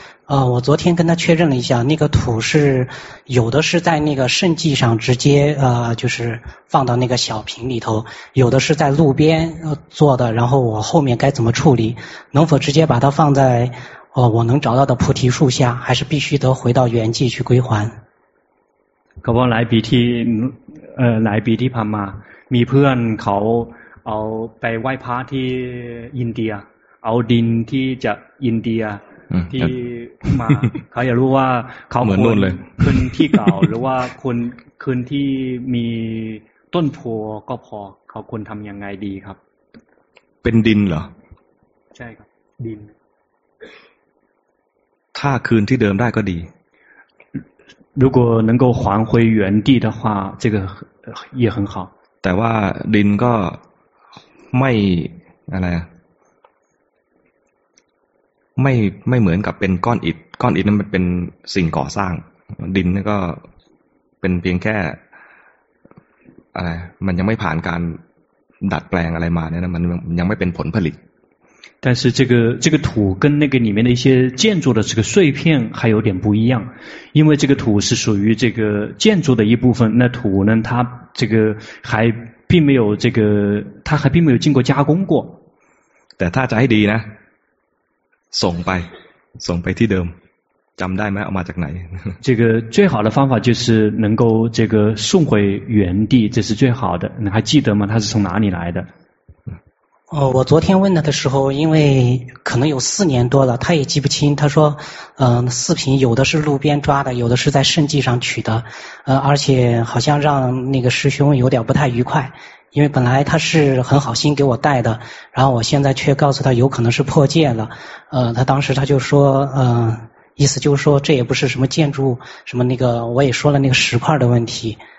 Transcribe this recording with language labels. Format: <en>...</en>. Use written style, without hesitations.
<zh>我昨天跟他确认了一下那个土是有的是在那个圣迹上直接就是放到那个小瓶里头有的是在路边做的然后我后面该怎么处理能否直接把它放在我能找到的菩提树下还是必须得回到原迹去归还可不来鼻涕旁嘛</zh> <th>มีเพื่อนเขาเอาไปไหว้พระที่อินเดียเอาดินที่จะอินเดียที่มาเขาอยากรู้ว่าเขา เหมือนนู่นเลย คืนที่เก่าหรือว่าคนคืนที่มีต้นโพก็พอเขาควรทำยังไงดีครับ เป็นดินเหรอ ใช่ครับดิน ถ้าคืนที่เดิมได้ก็ดี</th> <zh>如果能够还回原地的话这个也很好</zh> <th>แต่ว่าดินก็ไม่อะไรไม่เหมือนกับเป็นก้อนอิฐก้อนอิฐนั้นมันเป็นสิ่งก่อสร้างดินนี่ก็เป็นเพียงแค่อะไรมันยังไม่ผ่านการดัดแปลงอะไรมาเนี่ยนะมันยังไม่เป็นผลผลิต</th> <zh>但是这个土跟那个里面的一些建筑的这个碎片还有点不一样因为这个土是属于这个建筑的一部分那土呢它这个还并没有这个它还并没有经过加工过</zh> <th>แต่ถ้าจะให้ดีนะส่งไปที่เดิมจำได้ไหมเอามาจากไหน</th> <zh>这个最好的方法就是能够这个送回原地这是最好的你还记得吗它是从哪里来的我昨天问他的时候，因为可能有四年多了，他也记不清。他说，四品有的是路边抓的，有的是在圣迹上取的，而且好像让那个师兄有点不太愉快，因为本来他是很好心给我带的，然后我现在却告诉他有可能是破戒了，他当时他就说，意思就是说这也不是什么建筑什么那个，我也说了那个石块的问题。</zh>